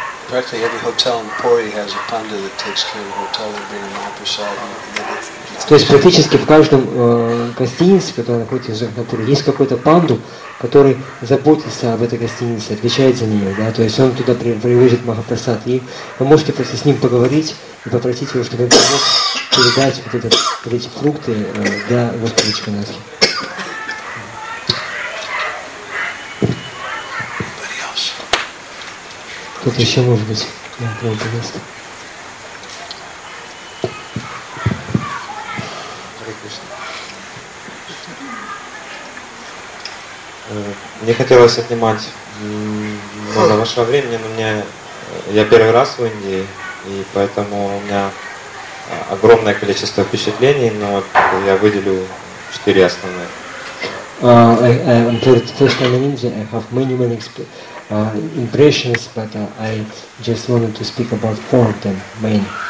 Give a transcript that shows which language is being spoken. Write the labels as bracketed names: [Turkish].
[English] Practically every hotel in Puri has a pandit that takes care of the hotel and bring them all beside them. [Russian] То есть практически в каждом гостинице, которая находится в Джаганатхе, есть какой-то панду, который заботится об этой гостинице, отвечает за нее, да, то есть он туда привозит Махапрасад. И вы можете просто с ним поговорить и попросить его, чтобы он помог передать вот этот, вот эти фрукты для Господа Джаганатхи. Тут еще может быть другое место. Мне хотелось отнимать много вашего времени, но мне я первый раз в Индии, и поэтому у меня огромное количество впечатлений, но я выделю 4 основных. [English] I'm first time in India. I have many impressions, but I just wanted to speak about 4 of them main.